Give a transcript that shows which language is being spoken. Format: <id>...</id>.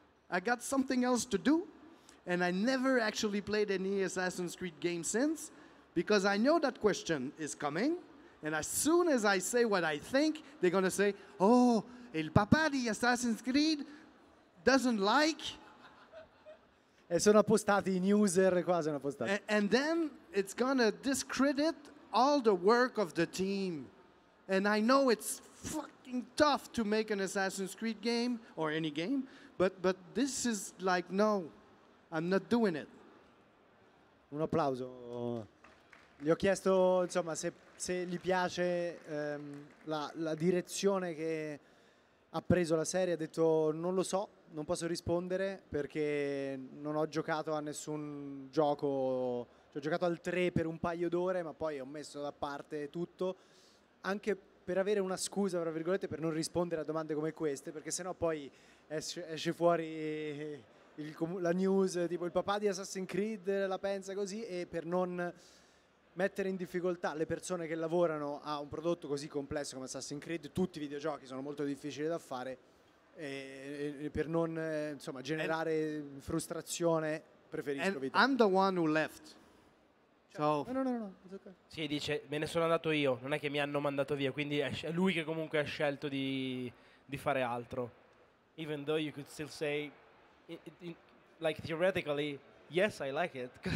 <en>I got something else to do. And I never actually played any Assassin's Creed game since, because I know that question is coming. And as soon as I say what I think, they're going to say, oh,</en> <it>il papà di</it> <en>Assassin's Creed doesn't like.</en> <it>E sono appostati in user, quasi sono appostati.</it> <en>And then it's gonna discredit all the work of the team. And I know it's fucking tough to make an Assassin's Creed game, or any game, but this is like, no, I'm not doing it.</en> <it>Un applauso. Gli ho chiesto, insomma, se gli piace la direzione che ha preso la serie. Ha detto, non lo so. Non posso rispondere perché non ho giocato a nessun gioco, cioè, ho giocato al 3 per un paio d'ore, ma poi ho messo da parte tutto, anche per avere una scusa, tra virgolette, per non rispondere a domande come queste, perché sennò poi esce fuori la news, tipo il papà di Assassin's Creed la pensa così, e per non mettere in difficoltà le persone che lavorano a un prodotto così complesso come Assassin's Creed, tutti i videogiochi sono molto difficili da fare, per non insomma generare frustrazione preferisco</it> <en>and video. I'm the one who left. So. No. Okay.</en> <it>Sì, dice, me ne sono andato io, non è che mi hanno mandato via, quindi è lui che comunque ha scelto di fare altro.</it> <en>Even though you could still say, like theoretically, yes, I like it.</en>